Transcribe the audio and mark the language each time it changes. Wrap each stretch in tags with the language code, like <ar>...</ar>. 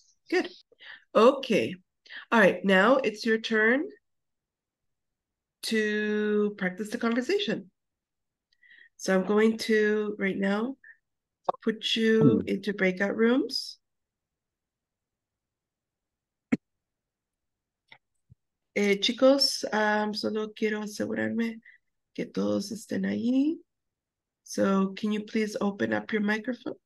<en>Good. Okay. All right. Now it's your turn to practice the conversation. So I'm going to right now put you into breakout rooms.</en> <es>Chicos, solo quiero asegurarme que todos estén ahí.</es> <en>So can you please open up your microphone?</en>